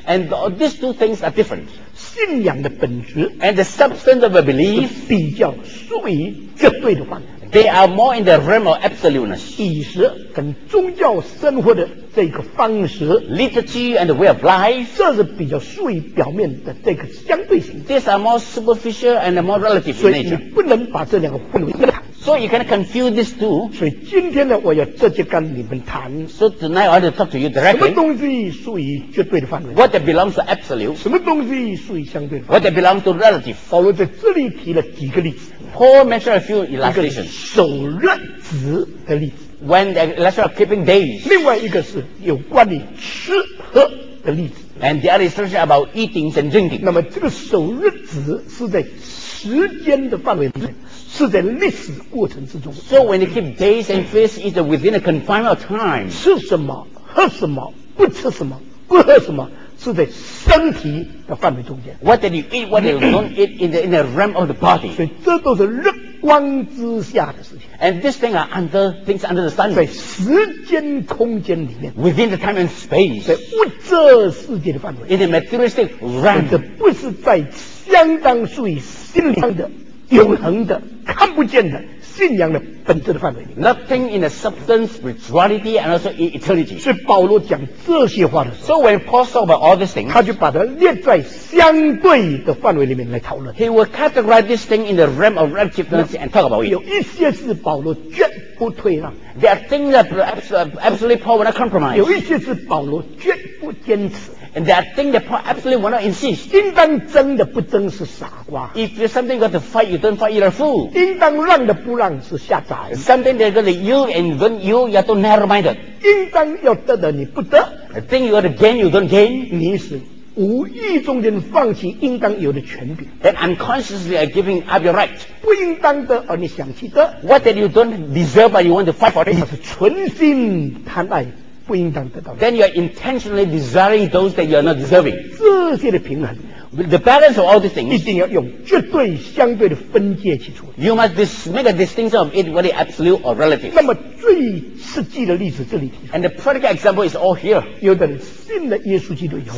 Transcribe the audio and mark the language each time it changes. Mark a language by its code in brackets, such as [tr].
[en] And these two things are different. [zh] 信仰的本质 [en] and the substance of a belief [zh] 比较属于绝对的范围。 [en] They are more in the realm of absoluteness. [zh] 饮食跟宗教生活的这个方式 [en] liturgy and the way of life [zh] 这是比较属于表面的这个相对性。 [en] These are more superficial and more relative in nature. [zh] 所以你不能把这两个混为一谈。 [en] So you cannot confuse these two. [zh] 所以今天呢，我要直接跟你们谈。 [en] So tonight I want to talk to you directly. [zh] 什么东西属于绝对的范围 [en] ？What belongs to absolute？ [zh] 什么东西属于相对的 [en] ？What belongs to relative？ [zh] 保罗在这里提了几个例子。 [en] Paul mentioned a few illustrations. [zh] 一个守日子的例子。 [en] When the illustration of keeping days. [zh] 另外一个是有关于吃喝的例子。 [en] And the other illustration about eating and drinking. [zh] 那么这个守日子是在时间的范围内。是在历史过程之中。 [en] So when you keep days and feasts, it's within a confined of time. [zh] 吃什么，喝什么，不吃什么，不喝什么，是在身体的范围中间。 [en] What did you eat? What did you don't eat in the realm of the body? [zh] 所以这都是日光之下的事情。 [en] And these things are under things under the sun. [zh] 在时间空间里面。 [en] Within the time and space. [zh] 在物质世界的范围。 [en] In the materialistic realm. [zh] 这不是在相当属于心灵的。永恒的看不见的信仰的本质的范围里 [en] Nothing in the substance spirituality and also in eternity [zh] 所以保罗讲这些话的时候 [en] So when Paul talks about all these things [zh] 他就把它列在相对的范围里面来讨论 [en] He will categorize this thing in the realm of relativeness and talk about it [zh] 有一些是保罗绝不退让 [en] There are things that absolutely Paul will not compromise [zh] 有一些是保罗绝不坚持 [en] And there are things that Paul absolutely will not insist. [zh] 应当争的不争是傻瓜。 [en] If there's something you got to fight, you don't fight, you're a fool. [zh] 应当让的不让是下载。 [en] Something that you got to yield and don't yield, you're too narrow-minded. [zh] 应当要得的你不得。 [en] A thing you got to gain, you don't gain. [zh] 你是无意中间放弃应当有的权柄。 [en] Then unconsciously are giving up your right. [zh] 不应当的而你想去得。 [en] What that you don't deserve but you want to fight for it. [zh] 你是存心贪爱。不应当得到。 [en] Then you are intentionally desiring those that you are not deserving. [zh] 这些的平衡 [en] the balance of all these things, [zh] 一定要用绝对相对的分界去处理。 [en] You must make a distinction of it whether absolute or relative. [zh] 那么最实际的例子这里提出。 [en] And the practical example is all here. [zh] 有的人信了耶稣基督以后。